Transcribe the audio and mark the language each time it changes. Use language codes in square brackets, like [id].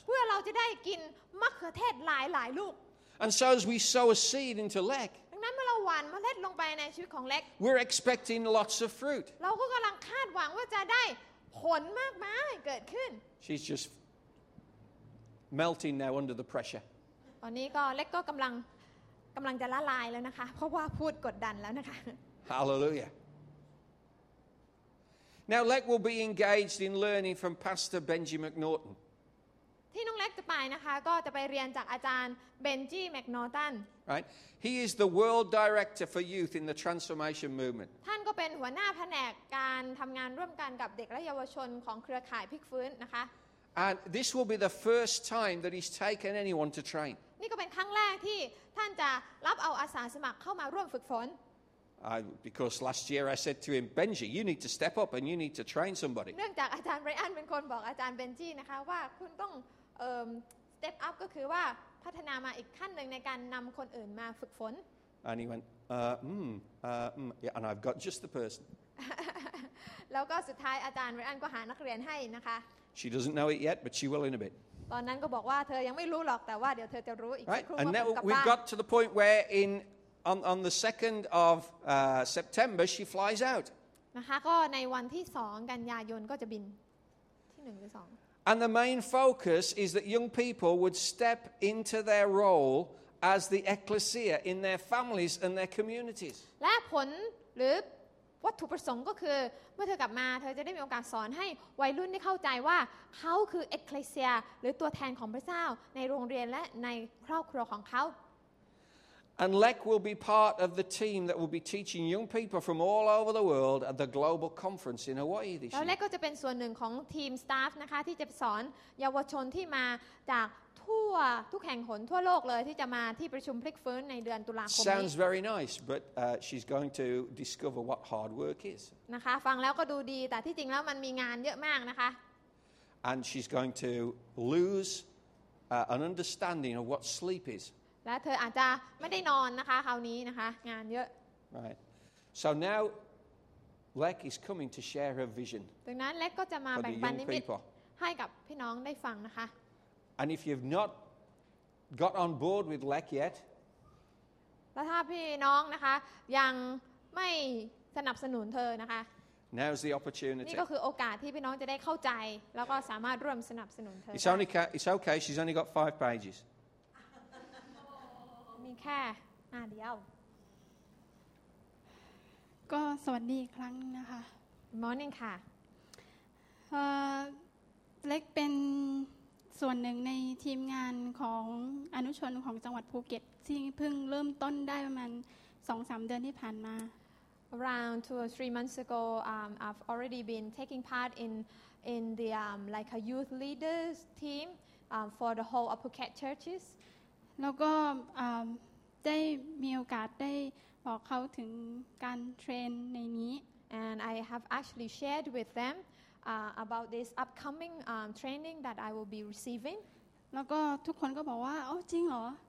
[th] เพื่อเราจะได้กินมะเขือเทศหลายลูก [en] And so as we sow a seed into Lek. [th] นั้นเมื่อเราหว่านเมล็ดลงไปในชีวิตของเล็ก [en] We're expecting lots of fruit [th] เราก็กำลังคาดหวังว่าจะได้ผลมากมายเกิดขึ้น [en] She's just melting now under the pressure [th] ตอนนี้ก็เล็กก็กำลังจะละลายแล้วนะคะเพราะว่าพูดกดดันแล้วนะคะ [en] Hallelujah Now Lek will be engaged in learning from Pastor Benji McNaughton [th] ที่น้องเล็กจะไปนะคะก็จะไปเรียนจากอาจารย์ Benji McNaughton [en] Right. He is the world director for youth in the transformation movement. [th] ท่านก็เป็นหัวหน้าแผนกการทำงานร่วมกันกับเด็กและเยาวชนของเครือข่ายพลิกฟื้นนะคะ [en] And this will be the first time that he's taken anyone to train. [th] นี่ก็เป็นครั้งแรกที่ท่านจะรับเอาอาสาสมัครเข้ามาร่วมฝึกฝน [en] Because last year I said to him, Benji, you need to step up and you need to train somebody. [th] เนื่องจากอาจารย์ไบรอันเป็นคนบอกอาจารย์เบนจี้นะคะว่าคุณต้อง step up ก็คือว่าพัฒนามาอีกขั้นหนึ่งในการนำคนอื่นมาฝึกฝน [en] And he went, yeah, and I've got just the person. [th] แล้วก็สุดท้ายอาจารย์เรียนก็หานักเรียนให้นะคะ [en] She doesn't know it yet, but she will in a bit. [th] ตอนนั้นก็บอกว่าเธอยังไม่รู้หรอกแต่ว่าเดี๋ยวเธอจะรู้อีกสักครู่ [en] And now we've got to the point where on the 2nd of September she flies out. [th] นะคะก็ในวันที่2กันยายนก็จะบินที่1หรือ2 [en] And the main focus is that young people would step into their role as the ecclesia in their families and their communities. [th] และผลหรือวัตถุประสงค์ก็คือเมื่อเธอกลับมาเธอจะได้มีโอกาสสอนให้วัยรุ่นได้เข้าใจว่าเขาคือ ecclesia หรือตัวแทนของพระเจ้าในโรงเรียนและในครอบครัวของเขา [en] And Lek will be part of the team that will be teaching young people from all over the world at the global conference in Hawaii this year. [th] แล้วเล็กก็จะเป็นส่วนหนึ่งของทีมสตาฟนะคะที่จะสอนเยาวชนที่มาจากทุกแห่งหนทั่วโลกเลยที่จะมาที่ประชุมพลิกฟื้นในเดือนตุลาคมนี้ [en] Sounds very nice, but she's going to discover what hard work is. [th] นะคะฟังแล้วก็ดูดีแต่ที่จริงแล้วมันมีงานเยอะมากนะคะ [en] And she's going to lose an understanding of what sleep is. [th] และเธออาจจะไม่ได้นอนนะคะคราวนี้นะคะงานเยอะ [en] Right So now Lek is coming to share her vision [th] ดังนั้นเล็กก็จะมาแบ่งปันนิมิต ให้กับพี่น้องได้ฟังนะคะ [en] And if you've not got on board with LAC yet [th] แล้วถ้าพี่น้องนะคะยังไม่สนับสนุนเธอนะคะ [en] Now's the opportunity [th] นี่ก็คือโอกาสที่พี่น้องจะได้เข้าใจแล้วก็สามารถร่วมสนับสนุนเธอ [en] It's okay she's only got 5 pages [th] มีแค่หน้าเดียว ก็สวัสดีอีกครั้งนะคะ [en] Morning ค่ะ [th] เล็กเป็นส่วนหนึ่งในทีมงานของอนุชนของจังหวัดภูเก็ตที่เพิ่งเริ่มต้นได้ประมาณ 2-3 เดือนที่ผ่านมา [en] Around 2 or 3 months ago I've already been taking part in the like a youth leaders team for the whole of Phuket churches [th] แล้วก็ได้มีโอกาสได้บอกเขาถึงการเทรนในนี้ [en] and I have actually shared with themabout this upcoming training that I will be receiving [th] แล้วก็ทุกคนก็บอกว่าโอ้จริงเหรอ